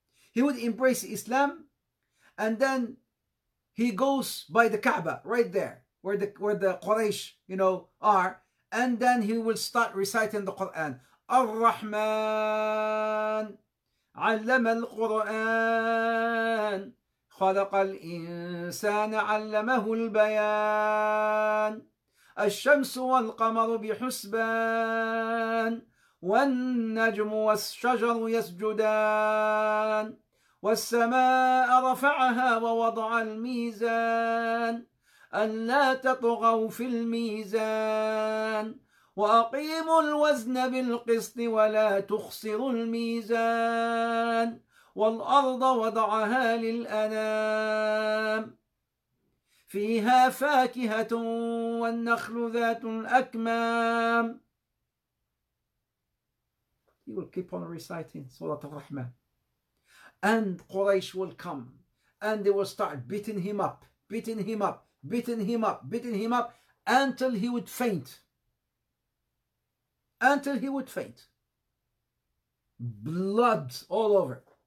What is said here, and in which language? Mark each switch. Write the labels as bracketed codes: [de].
[en] He would embrace Islam, and then he goes by the Kaaba, right there, where the Quraysh, you know, are, and then he will start reciting the Quran. Ar-Rahman. [ar] علم القرآن خلق الإنسان علمه البيان الشمس والقمر بحسبان والنجم والشجر يسجدان والسماء رفعها ووضع الميزان ألا تطغوا في الميزان وأقيموا الوزن بالقسط ولا تخسروا الميزان والأرض وضعها للأنام فيها فاكهة والنخل ذات الأكمام. [en] He will keep on reciting Surah Al-Rahman. And Quraysh will come. And they will start beating him up, beating him up, beating him up, beating him up, until he would faint. Until he would faint. Blood all over.